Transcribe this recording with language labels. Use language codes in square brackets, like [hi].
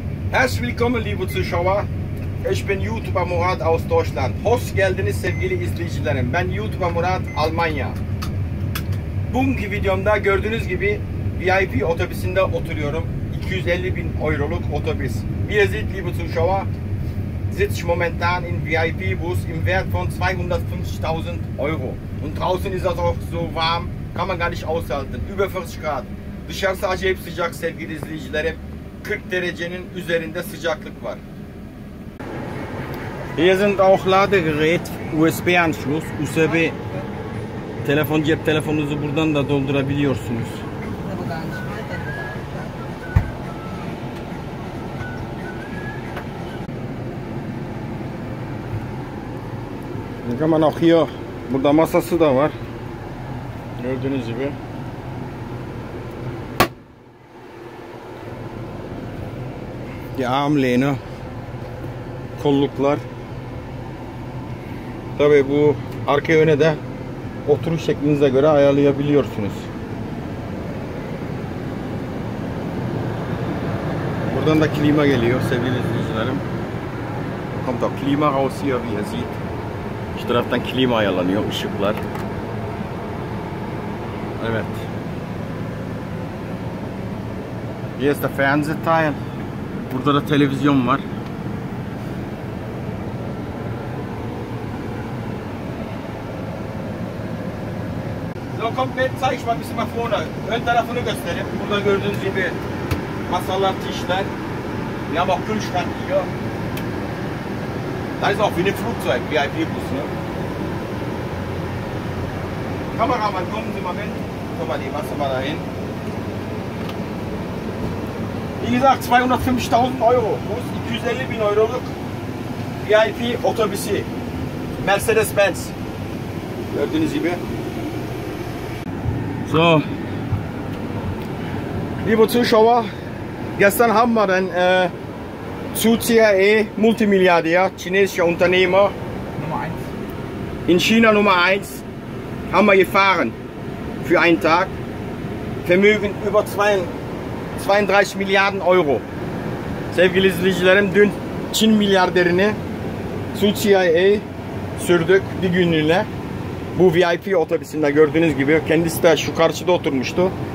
[de] Herzlich willkommen, liebe Zuschauer. Ich bin YouTuber Murat aus Deutschland. [tr] Hoş geldiniz sevgili izleyicilerim. Ben YouTuber Murat, Almanya. Bugünkü videomda gördüğünüz gibi VIP otobüsünde oturuyorum. 250 bin euroluk otobüs. [de] Wie ihr seht, liebe Zuschauer, sitze ich momentan in VIP Bus im Wert von 250.000 Euro. Und draußen ist das auch so warm, kann man gar nicht aushalten. Über 40 Grad. [tr] Dışarısı acayip sıcak sevgili izleyicilerim. 40 derecenin üzerinde sıcaklık var. [de] Hier sind auch Ladegerät, USB-Anschluss, USB telefon, [tr] cep telefonunuzu buradan da doldurabiliyorsunuz. Hemen akıyor. Burada masası da var. Gördüğünüz gibi. [de] Die Armlehne. [tr] Kolluklar. Tabi bu arka yöne de oturuş şeklinize göre ayarlayabiliyorsunuz. Buradan da klima geliyor sevgili izleyicilerim. [de] Kommt auch Klima raus hier, wie ihr seht. [tr] Şu taraftan klima ayarlanıyor, ışıklar. Evet. [de] Hier ist der Fernsehteil. [tr] Burada da televizyon var. [de] So, komm, ben zeig ich mal ein bisschen nach vorne. [tr] Ön tarafını göstereyim. Burada gördüğünüz gibi masalar, tischler. [de] Wir haben auch Kühlschrank hier. Da ist auch wie ein Flugzeug, VIP-Bus, ne? Kameramann, kommen Sie mal mit. Komm mal, die Masse mal dahin. Wie gesagt, 250.000 Euro. Bus, 250 bin Euro. [tr] VIP-Otobüsü. Mercedes-Benz. Gördüğünüz gibi. [de] So, liebe Zuschauer, gestern haben wir den Zhu Jiae, Multimilliardär, chinesischer Unternehmer, Nummer 1. In China Nummer 1, haben wir gefahren für einen Tag. Vermögen über 32 Milliarden Euro. [tr] Sevgili izleyicilerim, dün Çin Milliardärini Zhu Jiae sürdük bir günlüğüne. Bu VIP otobüsünde gördüğünüz gibi kendisi de şu karşıda oturmuştu.